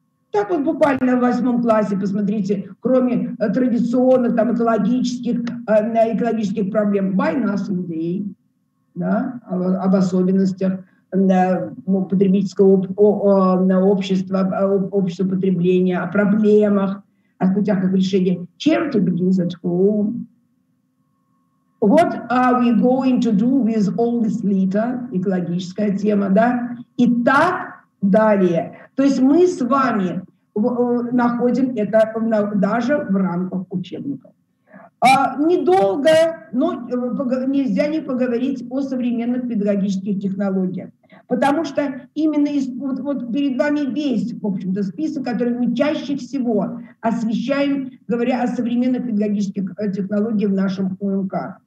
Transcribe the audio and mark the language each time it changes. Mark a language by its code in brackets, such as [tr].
[ru] Так вот буквально в восьмом классе, посмотрите, кроме традиционных там, экологических проблем, война с людей, да, об особенностях потребительского общества, общества потребления, о проблемах, о путях их решения. [en] Charity begins at home. What are we going to do with all this litter? [ru] Экологическая тема, да? И так далее. То есть мы с вами находим это даже в рамках учебников. Недолго, но нельзя не поговорить о современных педагогических технологиях. Потому что именно вот перед вами весь, в общем-то, список, который мы чаще всего освещаем, говоря о современных педагогических технологиях в нашем УМК.